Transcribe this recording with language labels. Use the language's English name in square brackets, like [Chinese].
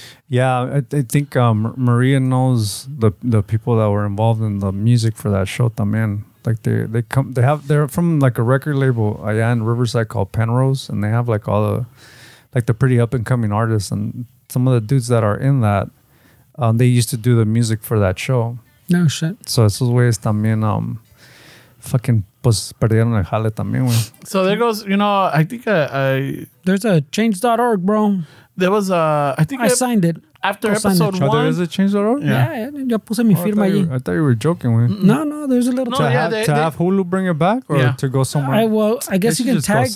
[English] Yeah, I think Maria knows the people that were involved in the music for that show, [Spanish] también. [English] Like they're from like a record label [Spanish] allá [English] in Riverside called Penrose, and they have like all the pretty up and coming artists, and some of the dudes that are in that, they used to do the music for that show. No shit. [Spanish] So esos güeyes también [English] fucking [Spanish] pues perdieron el jale también, güey. [English] So there goes, you know, I think I there's a change.org, bro. There was a, I think I signed it. After episode one. Oh, there is a change.org? Yeah. [Spanish] Yo puse mi firma allí. [English] I thought you were joking, man. No, no, there's a little change. To have Hulu bring it back or to go somewhere? I guess you can tag. Just